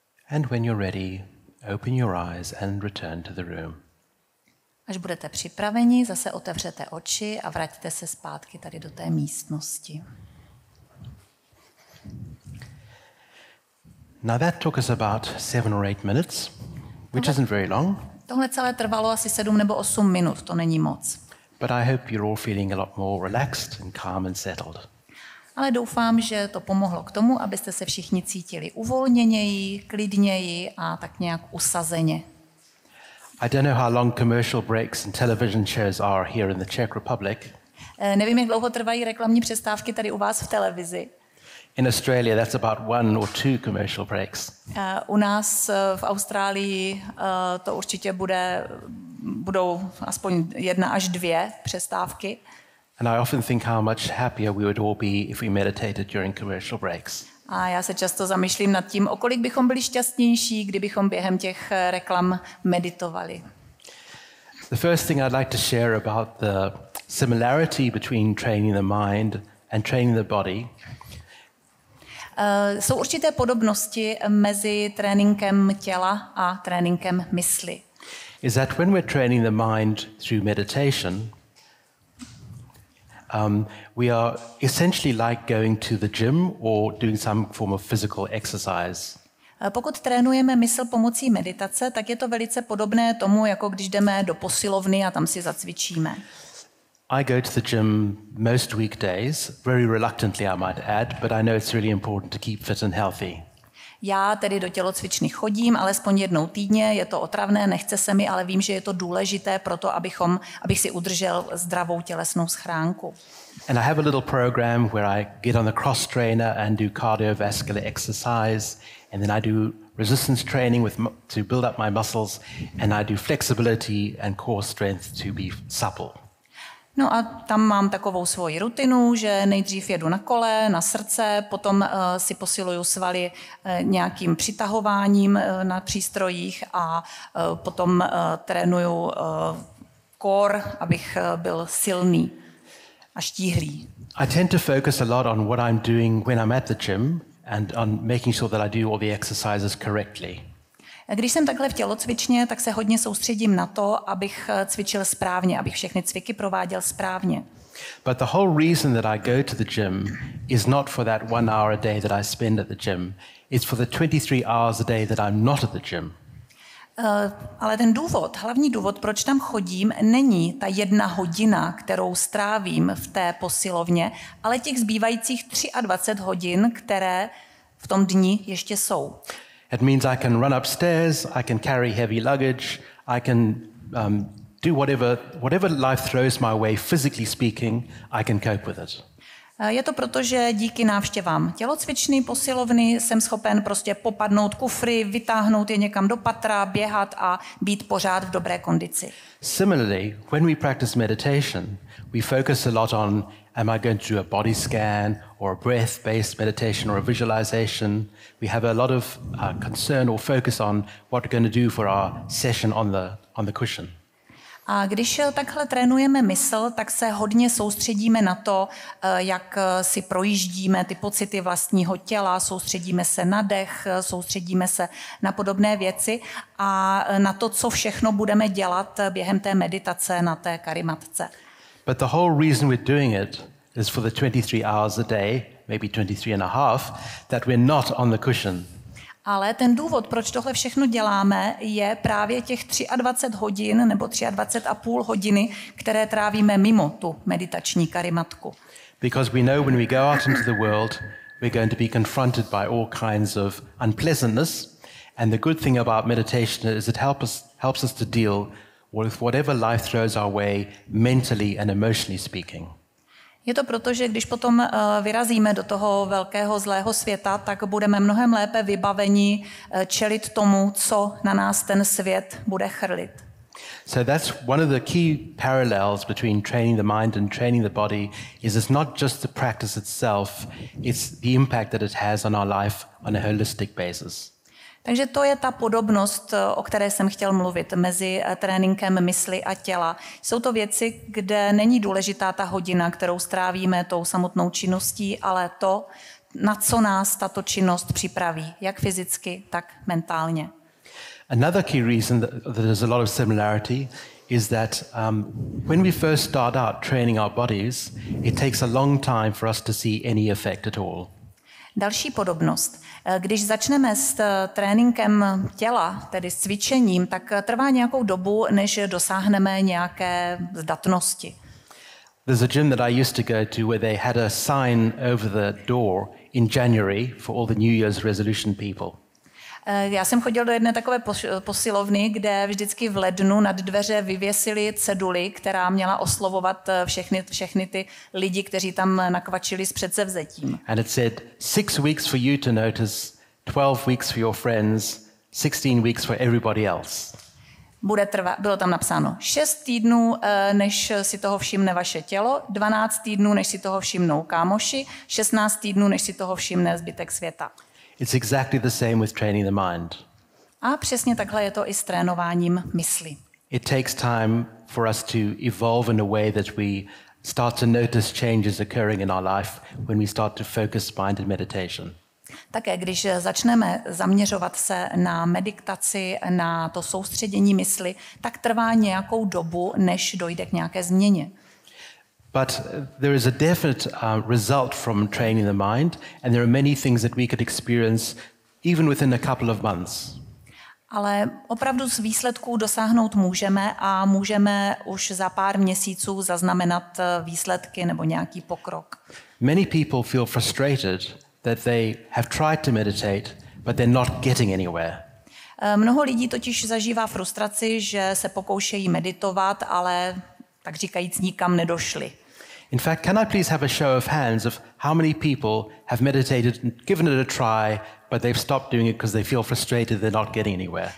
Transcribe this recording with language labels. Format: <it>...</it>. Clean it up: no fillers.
<en>And when you're ready, open your eyes and return to the room.</en> <cs>Až budete připraveni, zase otevřete oči a vraťte se zpátky tady do té místnosti.</cs> <en>Now that took us about 7 or 8 minutes, which isn't very long.</en> <cs>Tohle celé trvalo asi 7 nebo 8 minut, to není moc.</cs> <en>But I hope you're all feeling a lot more relaxed and calm and settled.</en> <cs>Ale doufám, že to pomohlo k tomu, abyste se všichni cítili uvolněněji, klidněji a tak nějak usazeně.</cs> <en>I don't know how long commercial breaks and television shows are here in the Czech Republic.</en> <cs>Nevím, jak dlouho trvají reklamní přestávky tady u vás v televizi.</cs> <en>In Australia that's about 1 or 2 commercial breaks.</en> <cs>U nás v Austrálii to určitě budou aspoň 1 až 2 přestávky.</cs> <en>And I often think how much happier we would all be if we meditated during commercial breaks.</en> <cs>A já se často zamýšlím nad tím, o kolik bychom byli šťastnější, kdybychom během těch reklam meditovali.</cs> <en>The first thing I'd like to share about the similarity between training the mind and training the body.</en> <cs>Jsou určité podobnosti mezi tréninkem těla a tréninkem mysli.</cs> <en>Is that when we're training the mind through meditation, we are essentially like going to the gym or doing some form of physical exercise.</en> <cs>Pokud trénujeme mysl pomocí meditace, tak je to velice podobné tomu, jako když jdeme do posilovny a tam si zacvičíme.</cs> <en>I go to the gym most weekdays, very reluctantly I might add, but I know it's really important to keep fit and healthy.</en> <cs>Já tedy do tělocvičny chodím alespoň jednou týdně, je to otravné, nechce se mi, ale vím, že je to důležité pro to, abych si udržel zdravou tělesnou schránku.</cs> <en>And I have a little program where I get on the cross trainer and do cardiovascular exercise, and then I do resistance training to build up my muscles, and I do flexibility and core strength to be supple.</en> <cs>No a tam mám takovou svoji rutinu, že nejdřív jedu na kole, na srdce, potom si posiluju svaly nějakým přitahováním na přístrojích a potom trénuju kor, abych byl silný a štíhlý.</cs> <en>I tend to focus a lot on what I'm doing when I'm at the gym and on making sure that I do all the exercises correctly.</en> <cs>Když jsem takhle v tělocvičně, tak se hodně soustředím na to, abych cvičil správně, abych všechny cviky prováděl správně.</cs> <en>But the whole reason that I go to the gym is not for that one hour a day that I spend at the gym. It's for the 23 hours a day that I'm not at the gym.</en> <cs>Ale ten důvod, hlavní důvod, proč tam chodím, není ta jedna hodina, kterou strávím v té posilovně, ale těch zbývajících 23 hodin, které v tom dni ještě jsou.</cs> <en>It means I can run upstairs, I can carry heavy luggage, I can do whatever life throws my way, physically speaking, I can cope with it.</en> <cs>Je to proto, že díky návštěvám tělocvičny, posilovny jsem schopen prostě popadnout kufry, vytáhnout je někam do patra, běhat a být pořád v dobré kondici.</cs> <en>Similarly, when we practice meditation, we focus a lot on am I going to do a body scan or a breath-based meditation or a visualization. We have a lot of concern or focus on what we're going to do for our session on the cushion.</en> <cs>A když takhle trénujeme mysl, tak se hodně soustředíme na to, jak si projíždíme ty pocity vlastního těla, soustředíme se na dech, soustředíme se na podobné věci a na to, co všechno budeme dělat během té meditace na té karimatce.</cs> <en>But the whole reason we're doing it is for the 23 hours a day, maybe 23 and a half, that we're not on the cushion.</en> <cs>Ale ten důvod, proč tohle všechno děláme, je právě těch 23 hodin nebo 23 a půl hodiny, které trávíme mimo tu meditační karimatku.</cs> <en>Because we know when we go out into the world, we're going to be confronted by all kinds of unpleasantness, and the good thing about meditation is it helps us to deal with whatever life throws our way, mentally and emotionally speaking.</en> <cs>Je to proto, že když potom vyrazíme do toho velkého zlého světa, tak budeme mnohem lépe vybaveni čelit tomu, co na nás ten svět bude chrlit.</cs> <en>So that's one of the key parallels between training the mind and training the body is it's not just the practice itself, it's the impact that it has on our life on a holistic basis.</en> <cs>Takže to je ta podobnost, o které jsem chtěl mluvit, mezi tréninkem mysli a těla. Jsou to věci, kde není důležitá ta hodina, kterou strávíme tou samotnou činností, ale to, na co nás tato činnost připraví, jak fyzicky, tak mentálně.</cs> <en>Another key reason that there's a lot of similarity is that when we first start out training our bodies, it takes a long time for us to see any effect at all.</en> <cs>Další podobnost. Když začneme s tréninkem těla, tedy s cvičením, tak trvá nějakou dobu, než dosáhneme nějaké zdatnosti.</cs> <en>There's a gym that I used to go to where they had a sign over the door in January for all the New Year's resolution people.</en> <cs>Já jsem chodil do jedné takové posilovny, kde vždycky v lednu nad dveře vyvěsili ceduli, která měla oslovovat všechny ty lidi, kteří tam nakvačili s předsevzetím.</cs> <en>And it said 6 weeks for you to notice, 12 weeks for your friends, 16 weeks for everybody else.</en> <cs>Bylo tam napsáno 6 týdnů, než si toho všimne vaše tělo, 12 týdnů, než si toho všimnou kámoši, 16 týdnů, než si toho všimne zbytek světa.</cs> <en>It's exactly the same with training the mind.</en> <cs>A přesně takhle je to i s trénováním mysli.</cs> <en>It takes time for us to evolve in a way that we start to notice changes occurring in our life when we start to focus mind and meditation.</en> <cs>Také když začneme zaměřovat se na meditaci, na to soustředění mysli, tak trvá nějakou dobu, než dojde k nějaké změně.</cs> <en>But there is a definite result from training the mind, and there are many things that we could experience even within a couple of months.</en> <cs>Ale opravdu z výsledků dosáhnout můžeme a můžeme už za pár měsíců zaznamenat výsledky nebo nějaký pokrok.</cs> <en>Many people feel frustrated that they have tried to meditate, but they're not getting anywhere.</en> <cs>Mnoho lidí totiž zažívá frustraci, že se pokoušejí meditovat, ale tak říkajíc, nikam nedošli.</cs> <en>In fact, can I please have a show of hands of how many people have meditated, given it a try, but they've stopped doing it because they feel frustrated, they're not getting anywhere.</en>